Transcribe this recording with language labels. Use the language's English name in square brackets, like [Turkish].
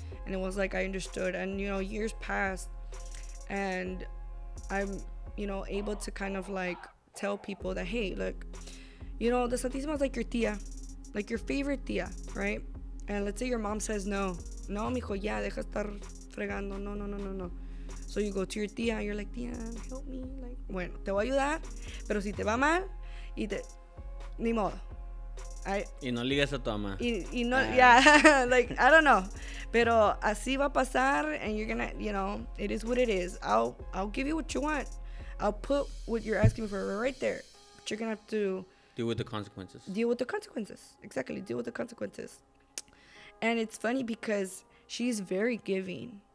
[English] And it was like, I understood. And, you know, years passed, and I'm, you know, able to kind of like tell people that, hey, look, you know, the Santisima is like your tía, like your favorite tía, right? And let's say your mom says no. [Spanish] No, mijo, ya, deja estar fregando. No, no, no, no, no. [English] So you go to your tía, and you're like, tía, help me. [Spanish] Like, bueno, te voy a ayudar, pero si te va mal, y te, ni modo. Y no ligas a tu mamá. Y no, [English] yeah, like, I don't know. [Spanish] Pero así va a pasar, [English] and you're gonna, you know, it is what it is. I'll give you what you want. I'll put what you're asking for right there. But you're gonna have to... Deal with the consequences. Exactly, deal with the consequences. And it's funny because she's very giving.